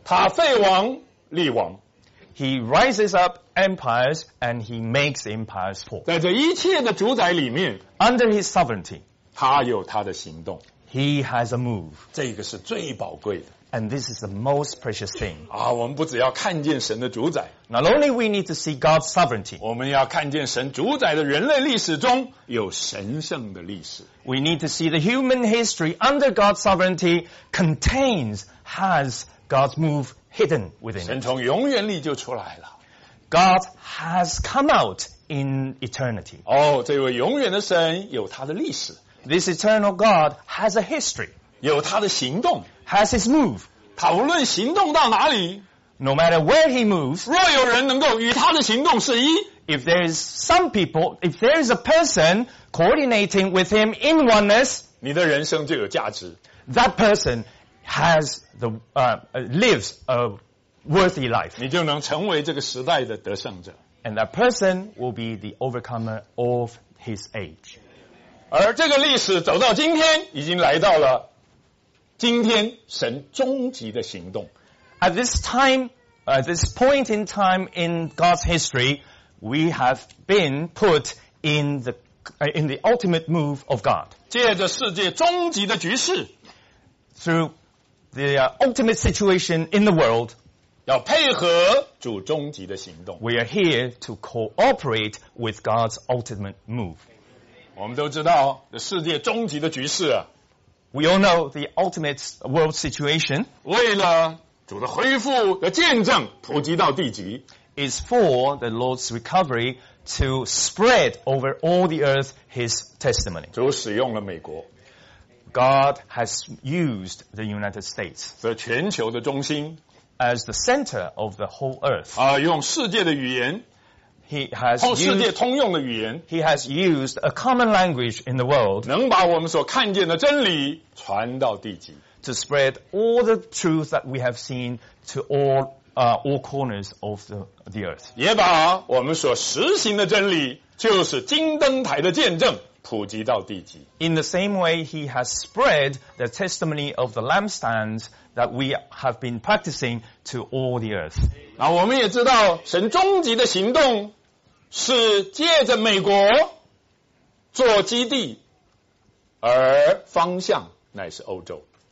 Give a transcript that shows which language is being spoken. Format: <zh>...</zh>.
<zh>他废王立王。</zh> <en>He rises up empires and he makes empires fall.</en> <zh>在这一切的主宰里面，</zh> <en>Under his sovereignty,</en> <zh>他有他的行动。</zh> <en>He has a move.</en> <zh>这个是最宝贵的。</zh> <en>And this is the most precious thing.</en> <zh>啊，我们不只要看见神的主宰。</zh> <en>Not only we need to see God's sovereignty.</en> <zh>我们要看见神主宰的人类历史中有神圣的历史。</zh> <en>We need to see the human history under God's sovereignty has God's move hidden within it.</en> <zh>神从永远里就出来了。</zh> <en>God has come out in eternity.</en> <zh>哦，这位永远的神有他的历史。</zh> <en>This eternal God has a history.</en> <zh>有他的行动。</zh> <en>Has his move.</en> <zh>他无论行动到哪里。</zh> <en>No matter where he moves.</en> <zh>若有人能够与他的行动是一。</zh> <en>If there is some people, if there is a person coordinating with him in oneness.</en> <zh>你的人生就有价值。</zh> <en>That person has the, lives a worthy life.</en> <zh>你就能成为这个时代的得胜者。</zh> <en>And that person will be the overcomer of his age.</en> <zh>而这个历史走到今天已经来到了今天神终极的行动。</zh> <en>At this time, at this point in time in God's history, we have been put in the ultimate move of God.</en> <zh>借着世界终极的局势</zh> <en>through the ultimate situation in the world,</en> <zh>要配合主终极的行动。</zh> <en>We are here to cooperate with God's ultimate move.</en> <zh>我们都知道世界终极的局势啊。</zh> <en>We all know the ultimate world situation.</en> <zh>为了主的恢复的见证普及到地极</zh> <en>is for the Lord's recovery to spread over all the earth His testimony.</en> <zh>主使用了美国。</zh> <en>God has used the United States.</en> <zh>的全球的中心</zh> <en>as the center of the whole earth.</en> <zh>啊，用世界的语言。</zh> <en>He has</en> <zh>用世界通用的语言</zh> <en>He has used a common language in the world</en> <zh>能把我们所看见的真理传到地极</zh> <en>To spread all the truth that we have seen to all corners of the earth</en> <zh>也把我们所实行的真理就是金灯台的见证普及到地极</zh> <en>In the same way he has spread the testimony of the lampstands that we have been practicing to all the earth</en> <zh>那我们也知道神终极的行动是借着美国做基地而方向乃是欧洲</zh>